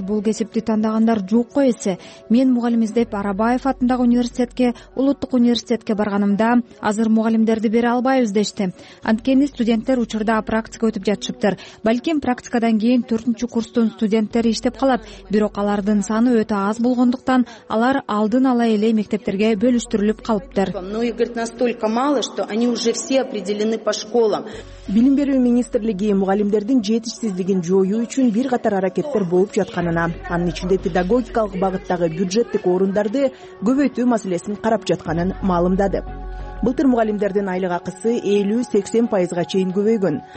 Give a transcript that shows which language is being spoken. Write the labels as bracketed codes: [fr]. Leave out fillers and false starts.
[ky] Бул кесипти тандагандар жокко эсе. Мен мугалим издеп Арабаев атындагы университетке, улуттук университетке барганымда азыр мугалимдерди бере албайбыз дешти. Анткени студенттер учурда практика өтүп жатышыптыр. Балким практикадан кийин 4-чү курстун студенттери иштеп калат, бирок алардын саны өтө аз болгондуктан алар алдын ала эле мектептерге бөлүштүрүлүп калыптыр. [ru] Настолько мало, что они уже все определены по школам. [ky] Билим берүү министрлиги мугалимдердин жетишсиздигин жоюу үчүн бир катар аракеттер болуп жатканына, анын ичинде педагогикалык багыттагы бюджеттик орундарды көбөйтүү маселесин карап жатканын маалымдады. Былтыр мугалимдердин айлык акысы 50-80% чейин көбөйгөн.